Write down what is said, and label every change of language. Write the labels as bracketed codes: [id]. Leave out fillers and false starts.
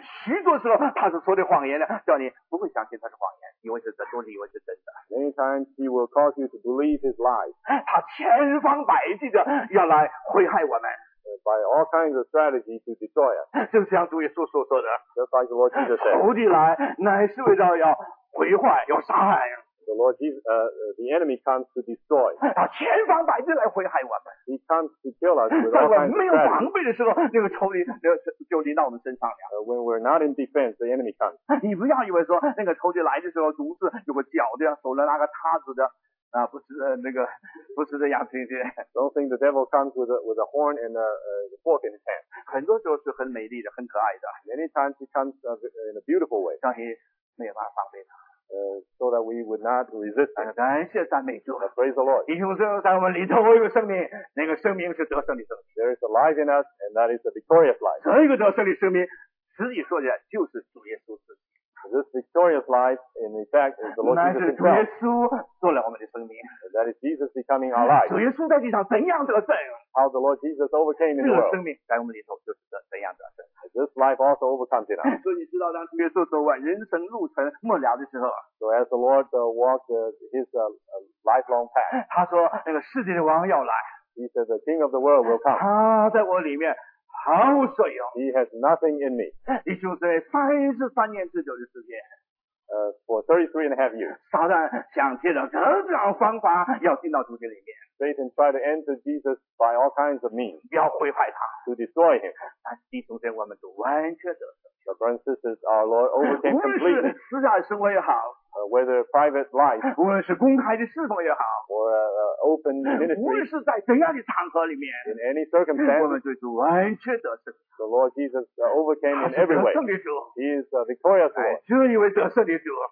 [zh] 许多时候他是说的谎言的，叫你不会相信他是谎言。以为是真，都是以为是真的。 [en] Many times he will cause you to believe his lies. [zh] 他千方百计的要来毁害我们。 [en] By all kinds of strategy to destroy us. [zh] 就像主耶稣所说的。 [en] Just like the Lord Jesus said. [zh] 仇敌来乃是为了要毁坏，要杀害。 [en] The Lord Jesus, the enemy comes to destroy. [zh] 他千方百计来毁害我们。 [en] He comes to kill us with all kinds of strategy. [zh] 在我们没有防备的时候，那个仇敌就临到我们身上了。 [en] When we're not in defense, the enemy comes. [zh] 你不要以为说那个仇敌来的时候，独自有个脚的，手里拿个叉子的，啊，不是那个，不是这样子的。 [en] Don't think the devil comes with a horn and a fork in his hand. [zh] 很多时候是很美丽的，很可爱的。 [en] Many times he comes in a beautiful way. [zh] 让你没有办法防备他。 [en] So that we would not resist him. [zh] 感谢赞美主。 [en] Praise the Lord. [zh] 弟兄们，在我们里头有生命，那个生命是得胜的生命。 [en] There is a life in us, and that is a victorious life. [zh] 这个得胜的生命，实际说起来就是主耶稣自己。 [en] This victorious life, in fact, is the Lord Jesus himself. [zh] 那是主耶稣做了我们的生命。 [en] That is Jesus becoming our life. [zh] 主耶稣在地上怎样得胜？ [en] How the Lord Jesus overcame in the world. [zh] 这个生命在我们里头就是怎样得胜？ [en] This life also overcomes it. [zh] 所以你知道，当主耶稣走完人生路程末了的时候 [en] ，So as the Lord walked his lifelong path， [zh] 他说那个世界的王要来。 [en] He said the King of the world will come. [zh] 他在我里面毫无所有。 [en] He has nothing in me. [zh] 弟兄姊妹，33年之久的时间。 [en] For 33 and a half years. [zh] 撒旦想借着各种方法要进到主的里面。 [en] Satan tried to enter Jesus by all kinds of means. [zh] 要毁坏他。 [en] To destroy him. [zh] 但是弟兄姊妹，我们都完全得胜。 [en] The brothers and sisters, our Lord overcame completely. [zh] 无论是私下的生活也好。 [en] whether private life, [zh] 无论是公开的侍奉也好 [en] or open ministry, [zh] 无论是在怎样的场合里面 [en] in any circumstance, [zh] 我们对主完全得胜 [en] the Lord Jesus overcame in every way, he is victorious Lord, [zh] 这一位得胜的主